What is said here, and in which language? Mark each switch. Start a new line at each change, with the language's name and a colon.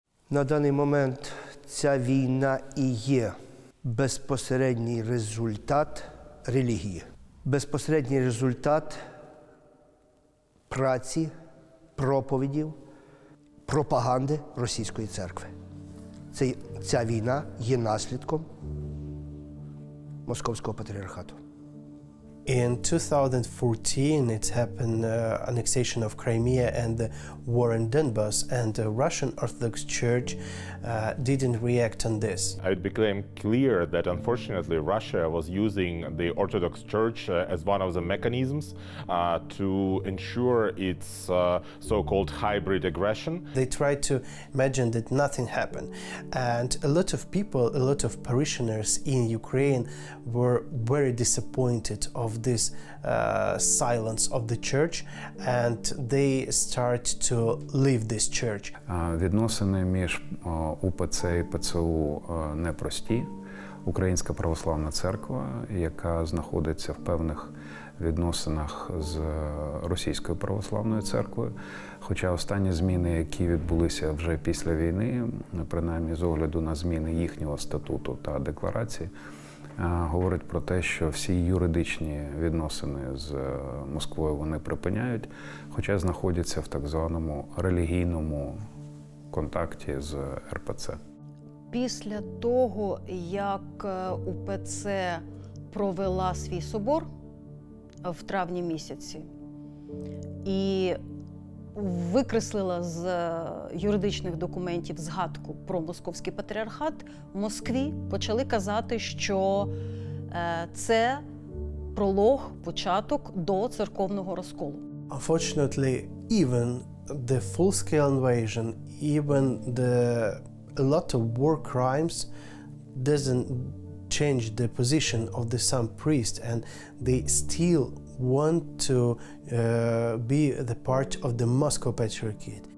Ukrainian: На даний момент ця війна і є безпосередній результат релігії. Безпосередній результат праці, проповідів, пропаганди російської церкви. Ця війна є наслідком Московського патріархату.
English: In 2014, it happened annexation of Crimea and the war in Donbas, and the Russian Orthodox Church didn't react on this. It became clear that unfortunately Russia was using the Orthodox Church as one of the mechanisms to ensure its so-called hybrid aggression. They tried to imagine that nothing happened, and a lot of people, a lot of parishioners in Ukraine were very disappointed of this silence of the church, and they start to leave this church.
Ukrainian: Відносини між УПЦ і ПЦУ непрості. Українська православна церква, яка знаходиться в певних відносинах з російською православною церквою, хоча останні зміни, які відбулися вже після війни, принаймні з огляду на зміни їхнього статуту та декларації, говорить про те, що всі юридичні відносини з Москвою вони припиняють, хоча знаходяться в так званому релігійному контакті з РПЦ. Після того, як УПЦ провела свій собор в травні місяці і викреслила з юридичних документів згадку про Московський патріархат, в Москві почали казати, що це пролог, початок до церковного розколу.
English: Unfortunately, even the full-scale invasion, even the a lot of war crimes doesn't change the position of the some priest, and they still want to be the part of the Moscow Patriarchate.